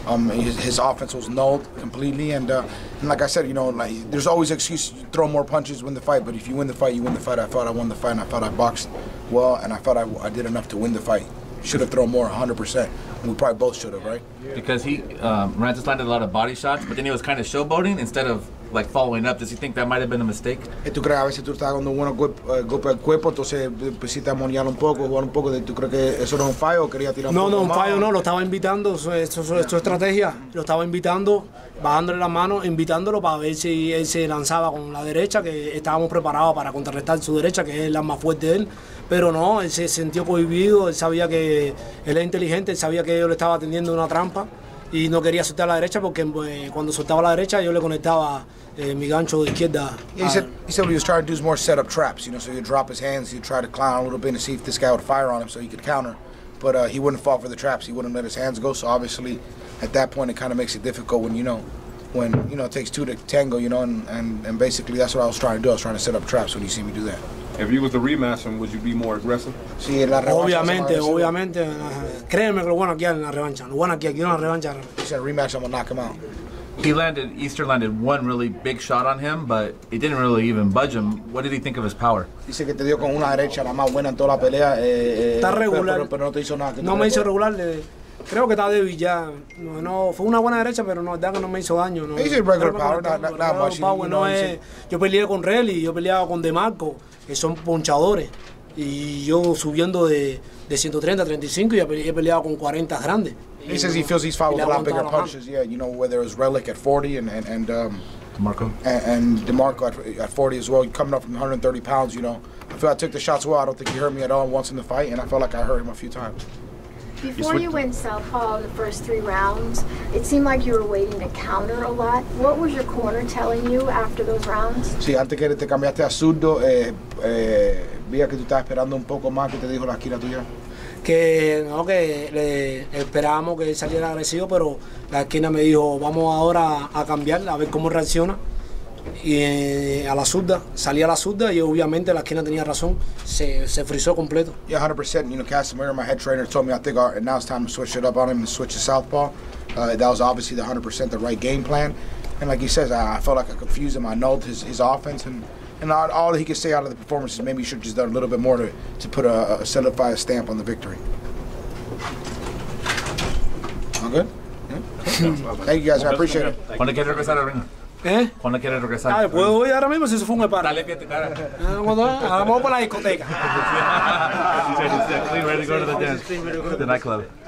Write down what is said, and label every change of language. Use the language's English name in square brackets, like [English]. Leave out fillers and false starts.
[English] His offense was nulled completely, and like I said, there's always excuse to throw more punches, win the fight, but if you win the fight, you win the fight. I thought I won the fight, and I thought I boxed well, and I thought I did enough to win the fight. Should have thrown more, 100%. We probably both should have, right? Because he, Rancis landed a lot of body shots, but then he was kind of showboating instead of like following up. Does he think that might have been a mistake? [Spanish] ¿Tú crees a veces tú estás dando buenos golpes al cuerpo, entonces empezaste a moñar un poco, jugar un poco? ¿Tú crees que eso no es un fallo o quería tirar un poco más? No, un fallo no, lo estaba invitando, eso es estrategia. Lo estaba invitando, bajándole la mano, invitándolo para ver si él se lanzaba con la derecha, que estábamos preparados para contrarrestar su derecha, que es la más fuerte de él. Pero no, él se sintió cohibido, él sabía que él es inteligente, él sabía que yo le estaba tendiendo una trampa. Y no quería soltar la derecha porque cuando soltaba la derecha yo le conectaba mi gancho de izquierda. [English] He said what he was trying to do is more set up traps, so he'd drop his hands, he'd try to clown a little bit and see if this guy would fire on him so he could counter. But he wouldn't fall for the traps, he wouldn't let his hands go, so obviously at that point it kind of makes it difficult when it takes two to tango, and basically that's what I was trying to do. I was trying to set up traps when you see me do that. If you was the rematch, would you be more aggressive? [Spanish] Sí, la revancha. Obviamente. Créeme que lo bueno aquí es la revancha. Lo bueno aquí es la revancha. [English] He said rematch, I'm gonna knock him out. Easter landed one really big shot on him, but it didn't really even budge him. What did he think of his power? [Spanish] Dice que te dio con una derecha la más buena en toda la pelea. Está regular. Pero no te hizo nada. No me hizo regular. Creo que estaba débil ya. No, fue una buena derecha, pero no, de verdad que no me hizo daño. No. [English] He's a regular power, not much. [Spanish] Yo peleé con Rally, yo peleaba con DeMarco, que son ponchadores. Y yo subiendo de 130 a 35, ya he peleado con 40 grandes. [English] He says he feels he's fought with a lot bigger punches. Yeah, whether it was Relic at 40 and DeMarco. And DeMarco at 40 as well, coming up from 130 pounds, I feel I took the shots well. I don't think he hurt me at all once in the fight, and I felt like I hurt him a few times. Before you went southpaw in the first three rounds, it seemed like you were waiting to counter a lot. What was your corner telling you after those rounds? [Spanish] Sí, antes que te cambiaste a zurdo, vi que tú estabas esperando un poco más. ¿Qué te dijo la esquina tuya? Que no, que le esperábamos que saliera agresivo, pero la esquina me dijo, vamos ahora a cambiar, a ver cómo reacciona. Y a la zurda, salí a la zurda y obviamente la esquina tenía razón, se frizó completo. [English] Yeah, 100%. Casimir, my head trainer, told me, I think now it's time to switch it up on him and switch to southpaw. That was obviously the 100% the right game plan. And like he says, I felt like I confused him, I nulled his offense, and And all he could say out of the performance is maybe he should have just done a little bit more to put a solidify a stamp on the victory. All good? Yeah. Thank you guys, I appreciate it. [Spanish] Cuando quieres regresar al ring. ¿Eh? Cuando quieres regresar. Ay, puedo ir ahora mismo si se fuma el par. Dale, fíjate, cara. Vamos para la discoteca. [English] Ready to go to the dance. The nightclub.